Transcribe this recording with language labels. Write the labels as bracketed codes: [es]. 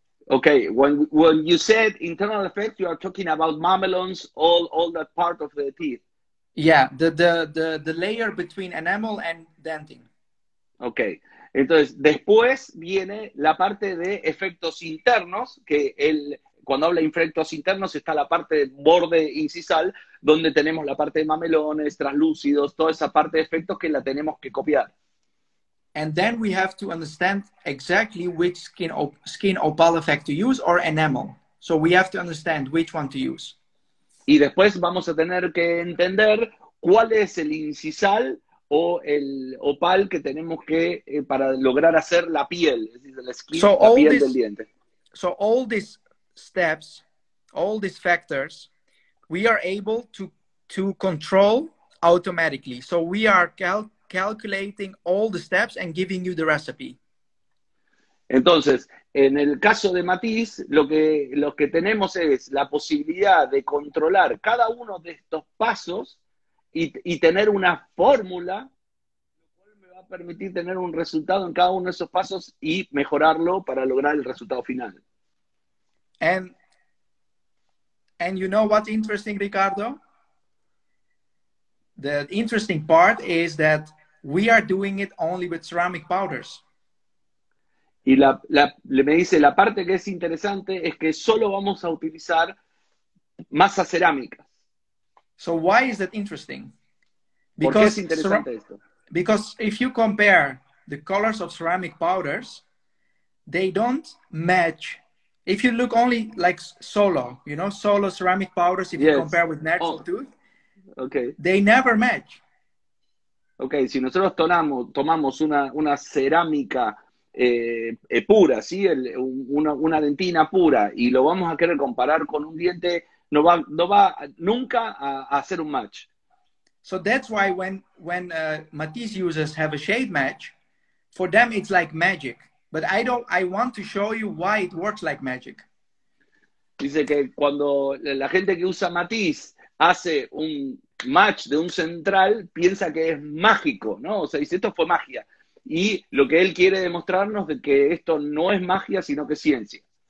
[en] Okay, when you said internal effect, you are talking about mamelons, all that part of the teeth. Yeah, the layer between enamel and dentin. [es] Okay, entonces después viene la parte de efectos internos, que cuando habla de efectos internos está la parte de borde incisal, donde tenemos la parte de mamelones, translúcidos, toda esa parte de efectos que la tenemos que copiar. [en] And then we have to understand exactly which skin opal effect to use or enamel. So we have to understand which one to use. [es] Y después vamos a tener que entender cuál es el incisal o el opal que tenemos que para lograr hacer la piel, es decir, la skin, [en] so [es] la piel del diente. [en] So all these steps, all these factors, we are able to control automatically. So we are calculating all the steps and giving you the recipe. [es] Entonces, en el caso de Matiz, lo que tenemos es la posibilidad de controlar cada uno de estos pasos y tener una fórmula, lo cual me va a permitir tener un resultado en cada uno de esos pasos y mejorarlo para lograr el resultado final. [en] And you know what's interesting, Ricardo? The interesting part is that we are doing it only with ceramic powders. [es] Y le me dice, la parte que es interesante es que solo vamos a utilizar masas cerámicas. [en] So why is that interesting? Because [es] ¿por qué es interesante esto? [en] Because if you compare the colors of ceramic powders, they don't match if you look only like solo, you know, solo ceramic powders, if yes. you compare with natural oh. tooth, okay. they never match. [es] Okay, si nosotros tomamos una cerámica pura, ¿sí? Una dentina pura, y lo vamos a querer comparar con un diente, no va nunca a hacer un match. [en] So that's why when Matisse users have a shade match, for them it's like magic. But I want to show you why it works like magic. [es] Dice que cuando la gente que usa Matisse hace un match de un central, piensa que es mágico, ¿no? O sea, dice, esto fue magia. Y lo que él quiere demostrarnos es que esto no es magia, sino que es ciencia.